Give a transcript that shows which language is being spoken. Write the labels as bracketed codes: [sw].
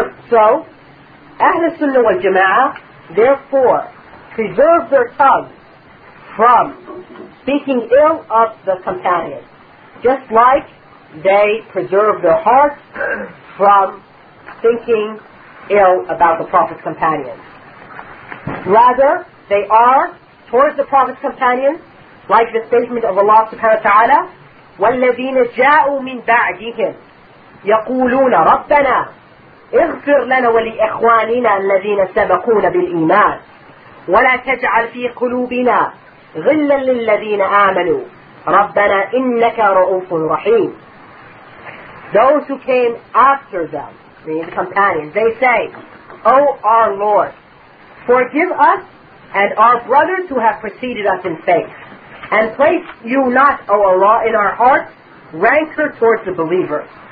[en] So, Ahl Sunnah wal Jama'ah, therefore, preserve their tongue from speaking ill of the companion, just like they preserve their hearts from thinking ill about the Prophet's companion. Rather, they are towards the Prophet's companion, like the statement of Allah subhanahu wa ta'ala, [ar] وَالَّذِينَ جَاءُوا مِنْ بَعْدِهِمْ يَقُولُونَ رَبَّنَا اغْفِرْ لَنَا وَلِإِخْوَانِنَا الَّذِينَ سَبَقُونَ بِالْإِيمَانِ ولا تجعل في قلوبنا غلا للذين آمنوا ربنا إنك رؤوف رحيم. [en] Those who came after them, meaning the companions, they say, O our Lord, forgive us and our brothers who have preceded us in faith, and place you not, O Allah, in our hearts rancor towards the believers.